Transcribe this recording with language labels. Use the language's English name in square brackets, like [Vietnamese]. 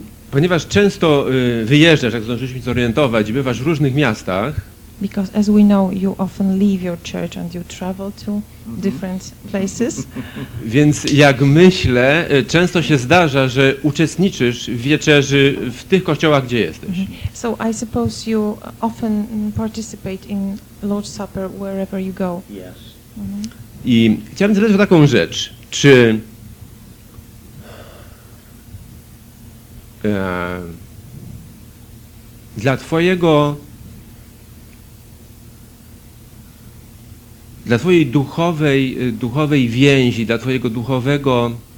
[Polish] Ponieważ często wyjeżdżasz, jak zdążyliśmy się zorientować, bywasz w różnych miastach. [English] Because as we know, you often leave your church and you travel to different places. [Polish] Więc jak myślę, często się zdarza, że uczestniczysz w wieczerzy w tych kościołach, gdzie jesteś. [English] So I suppose you often participate in Lord's Supper wherever you go. Yes. [Polish] I chciałbym zapytać o taką rzecz. Czy dla twojego dla twojej duchowej więzi, dla twojego duchowego